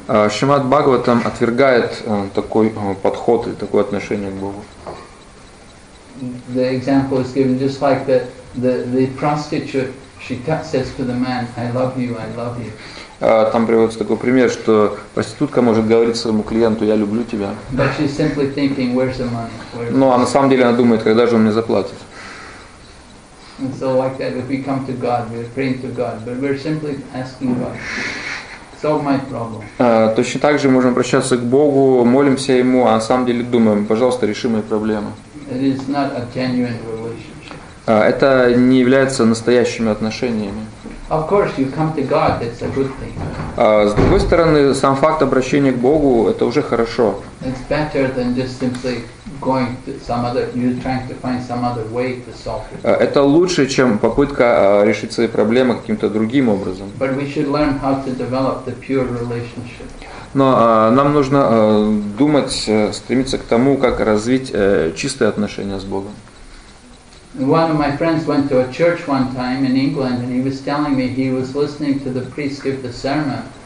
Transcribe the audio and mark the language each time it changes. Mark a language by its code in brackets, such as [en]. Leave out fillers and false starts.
[ru] Шримад Бхагаватам отвергает такой подход или такое отношение к Богу. [en] The example is given just like the prostitute. She says to the man, "I love you, I love you." [ru] Там приводится такой пример, что проститутка может говорить своему клиенту: "Я люблю тебя." [en] But she's simply thinking, "Where's the money?" [ru] Ну, а на самом деле она думает, когда же он мне заплатит? [en] And so, like that, if we come to God, we're praying to God, but we're simply asking God, solve my problem. [ru] Точно так же можем обращаться к Богу, молимся ему, а на самом деле думаем: пожалуйста, реши мои проблемы. [en] It is not a genuine relationship. [ru] Это не является настоящими отношениями. [en] Of course, you come to God, that's a good thing. [ru] С другой стороны, сам факт обращения к Богу – это уже хорошо. [en] It's better than just simply going to some other, you trying to find some other way to solve it. [ru] Это лучше, чем попытка решить свои проблемы каким-то другим образом. [en] But we should learn how to develop the pure relationship. [ru] Но нам нужно думать, стремиться к тому, как развить чистые отношения с Богом. [en] One of my friends went to a church one time in England, and he was telling me he was listening to the priest give the sermon.